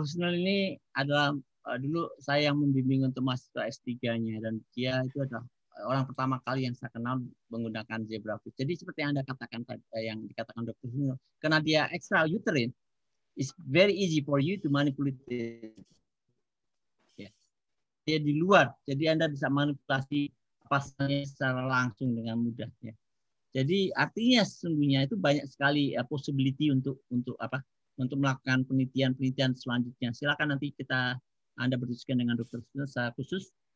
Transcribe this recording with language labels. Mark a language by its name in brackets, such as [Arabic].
[Indonesian] Husnul ini adalah dulu saya yang membimbing untuk mahasiswa S3-nya, dan dia itu adalah orang pertama kali yang saya kenal menggunakan zebrafish. Jadi seperti yang Anda katakan, yang dikatakan Dr. Husnul, karena dia [English] extra uterine, it's very easy for you to manipulate it. Yeah. [Indonesian] Dia di luar, jadi Anda bisa manipulasi pasangnya secara langsung dengan mudahnya. Jadi artinya sesungguhnya itu banyak sekali possibility untuk melakukan penelitian-penelitian selanjutnya. Silakan nanti kita Anda berdiskusi dengan dokter secara khusus.